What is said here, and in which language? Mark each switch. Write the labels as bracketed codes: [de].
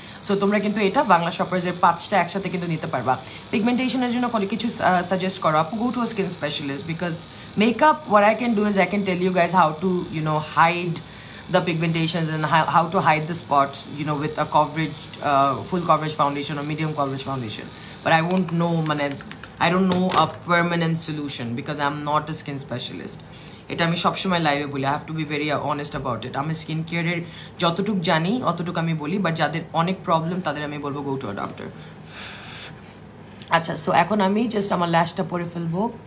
[bn] So তোমরা কিন্তু এটা বাংলা শপার্সের পাঁচটা একসাথে কিন্তু নিতে পারবা। পিগমেন্টেশনের জন্য কোনো কিছু সাজেস্ট করো, আপু [en] Go to skin specialist, because makeup, what I can do is I can tell you guys how to you know hide the pigmentations and how to hide the spots, you know, with a coverage, full coverage foundation or medium coverage foundation. But I won't know, I don't know a permanent solution because I'm not a skin specialist. [bn] এটা আমি সবসময় লাইভে বলি, [en] I have to be very honest about it. [bn] আমি skin কেয়ারের যতটুকু জানি অতটুকু আমি বলি, বাট যাদের অনেক প্রবলেম তাদের আমি বলবো [en] Go to a doctor. [bn] আচ্ছা, সো এখন আমি জাস্ট আমার ল্যাশটা পরে ফেলবো।